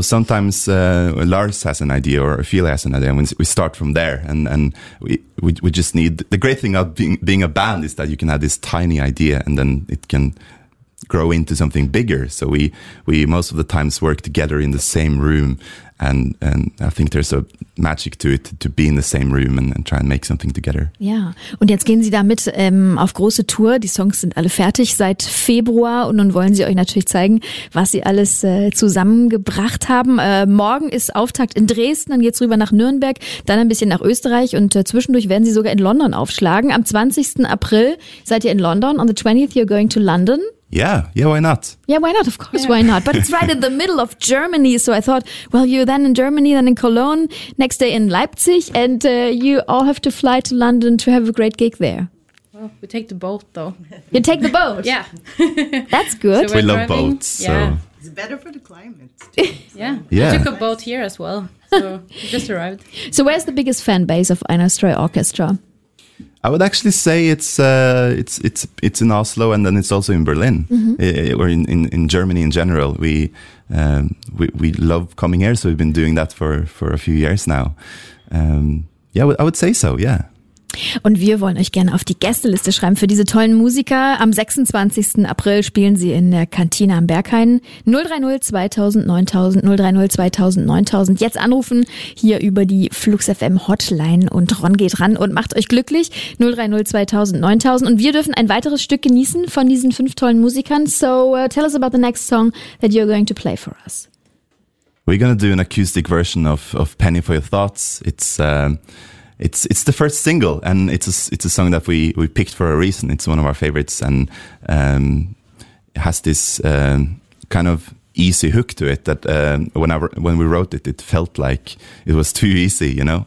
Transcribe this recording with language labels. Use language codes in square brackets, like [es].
[en] Sometimes Lars has an idea or Ophelia has an idea, and we start from there, and we just need, the great thing of being a band is that you can have this tiny idea and then it can grow into something bigger. So we most of the times work together in the same room, and I think there's a magic to it, to be in the same room and try and make something together. [de] Ja, und jetzt gehen Sie damit auf große Tour. Die Songs sind alle fertig seit Februar und nun wollen Sie euch natürlich zeigen, was Sie alles zusammengebracht haben. Morgen ist Auftakt in Dresden, dann geht's rüber nach Nürnberg, dann ein bisschen nach Österreich und zwischendurch werden Sie sogar in London aufschlagen. Am 20. April seid ihr in London. [en] On the 20th you're going to London. Yeah, why not? Yeah, why not? Of course, why not? But it's right in the middle of Germany, so I thought, well, you're then in Germany, then in Cologne, next day in Leipzig, and you all have to fly to London to have a great gig there. Well, we take the boat, though. You take the boat? Yeah. That's good. So we love boats. So. Yeah. It's better for the climate. Too, so. Yeah. I took a boat here as well, so we just arrived. So where's the biggest fan base of Einar Stray Orchestra? I would actually say it's in Oslo, and then it's also in Berlin, or in Germany in general. We love coming here, so we've been doing that for a few years now. I would say so, yeah. [de] Und wir wollen euch gerne auf die Gästeliste schreiben für diese tollen Musiker. Am 26. April spielen sie in der Kantine am Berghain. 030-2000-9000. Jetzt anrufen hier über die Flux FM Hotline und Ron geht ran und macht euch glücklich. 030-2000-9000. Und wir dürfen ein weiteres Stück genießen von diesen 5 tollen Musikern. [en] So tell us about the next song that you're going to play for us. We're going to do an acoustic version of Penny for Your Thoughts. It's the first single, and it's a song that we picked for a reason. It's one of our favorites, and it has this kind of easy hook to it that when we wrote it, it felt like it was too easy, you know.